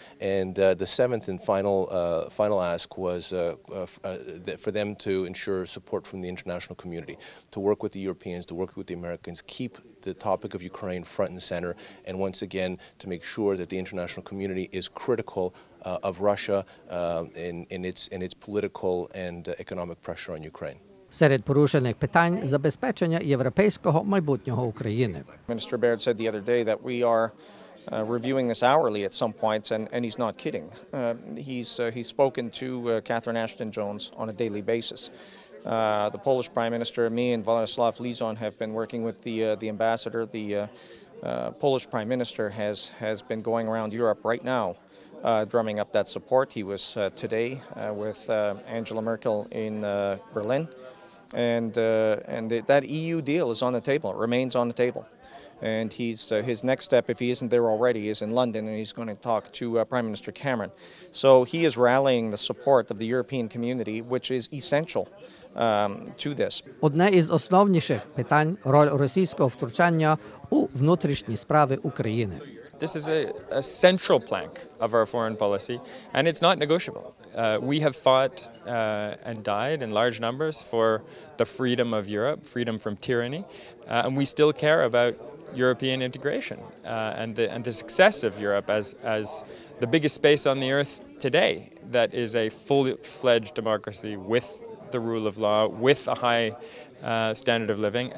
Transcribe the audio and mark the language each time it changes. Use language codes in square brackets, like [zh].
[en] And the seventh and final ask was for them to ensure support from the international community, to work with the Europeans, to work with the Americans, keep the topic of Ukraine front and center, and once again to make sure that the international community is critical of Russia in its political and economic pressure on Ukraine. [uk] Серед порушених питань – забезпечення європейського майбутнього України. [en] Minister Baird said the other day that we are reviewing this hourly at some points, and he's not kidding. He's spoken to Catherine Ashton Jones on a daily basis. The Polish Prime Minister, me and Władysław Lizon have been working with the ambassador. The Polish Prime Minister has been going around Europe right now, drumming up that support. He was today with Angela Merkel in Berlin, and that EU deal is on the table. It remains on the table. And his next step, if he isn't there already, is in London, and he's going to talk to Prime Minister Cameron. So he is rallying the support of the European community, which is essential to this. [uk] Одне із основніших питань – роль російського втручання у внутрішні справи України. [en] This is a central plank of our foreign policy, and it's not negotiable. We have fought and died in large numbers for the freedom of Europe, freedom from tyranny, and we still care about European integration and the success of Europe as the biggest space on the earth today that is a full-fledged democracy with the rule of law, with a high standard of living.